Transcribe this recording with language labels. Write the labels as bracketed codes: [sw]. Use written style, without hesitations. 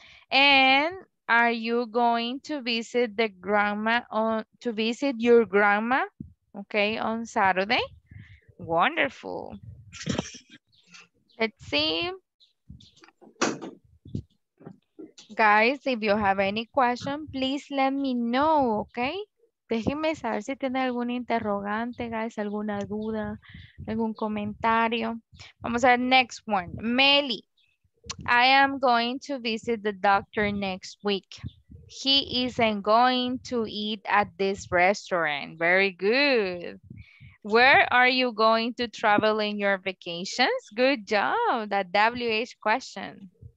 [en] And are you going to visit the grandma to visit your grandma? Okay, on Saturday. Wonderful. Let's see. Guys, if you have any question, please let me know, okay? [es] Déjenme saber si tienen algún interrogante, guys, alguna duda, algún comentario. Vamos a ver, [en] next one. [es] Meli. [en] I am going to visit the doctor next week. He isn't going to eat at this restaurant. Very good. Where are you going to travel in your vacations? Good job. That WH question.